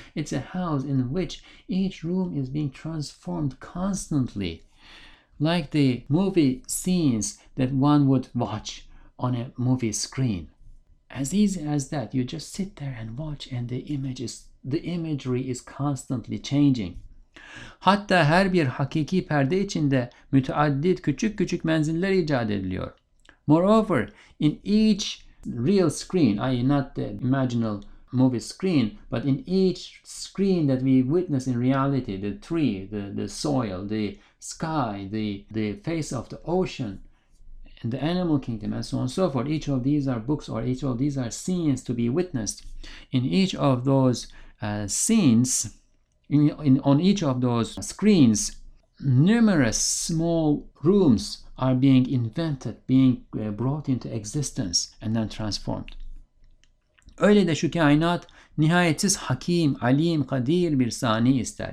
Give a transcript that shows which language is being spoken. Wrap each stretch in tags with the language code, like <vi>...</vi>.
<en>It's a house in which each room is being transformed constantly, like the movie scenes that one would watch on a movie screen. As easy as that, you just sit there and watch, and the imagery is constantly changing.</en> <tr>Hatta her bir hakiki perde içinde müteaddit küçük küçük menziller icat ediliyor.</tr> <en>Moreover, in each real screen, i.e. not the imaginal movie screen, but in each screen that we witness in reality, the tree, the soil, the sky, the face of the ocean, the animal kingdom, and so on and so forth. Each of these are books, or each of these are scenes to be witnessed. In each of those scenes, on each of those screens, numerous small rooms are being invented, being brought into existence, and then transformed.</en> <tr>Öyle de şu kainat nihayetsiz hakim, alim, kadir bir sani ister.</tr>